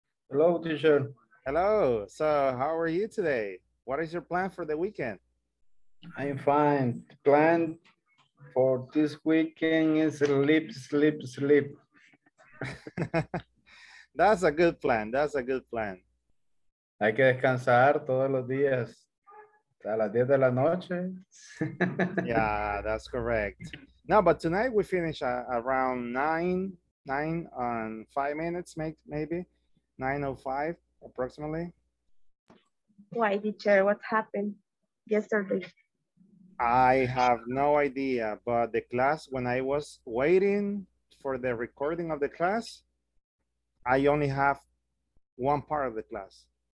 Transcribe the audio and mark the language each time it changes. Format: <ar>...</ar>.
<en>Hello, teacher. Hello. So, how are you today? What is your plan for the weekend? I'm fine. The plan for this weekend is sleep, sleep, sleep. That's a good plan. That's a good plan.</en> <es>Hay que descansar todos los días a las 10 de la noche.</es> <en>Yeah, that's correct. No, but tonight we finish around 9:05 maybe, 9:05 approximately. Why, teacher, what happened yesterday? I have no idea, but the class, when I was waiting for the recording of the class, I only have one part of the class.</en>